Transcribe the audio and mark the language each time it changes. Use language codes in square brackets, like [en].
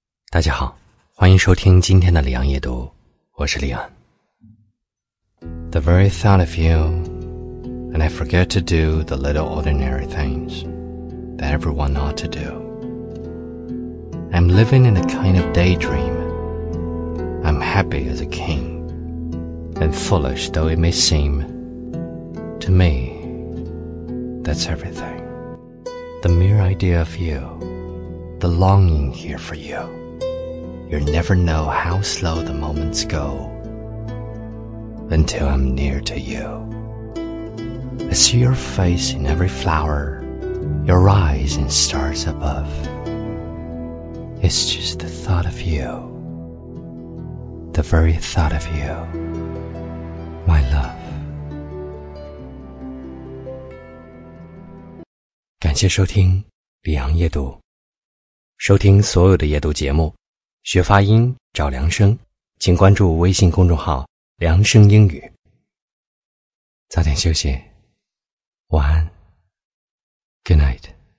[zh] 大家好，欢迎收听今天的李昂夜读，我是李昂。 [en] The very thought of you, and I forget to do the little ordinary things that everyone ought to do. I'm living in a kind of daydream. I'm happy as a king, and foolish though it may seem, to me, that's everything. The mere idea of you, the longing here for you,You'll never know how slow the moments go until I'm near to you. I see your face in every flower, your eyes in stars above. It's just the thought of you, the very thought of you, my love. [zh] 感谢收听李昂夜读，收听所有的夜读节目。学发音找梁声，请关注微信公众号梁声英语。早点休息，晚安。 [en] Good night.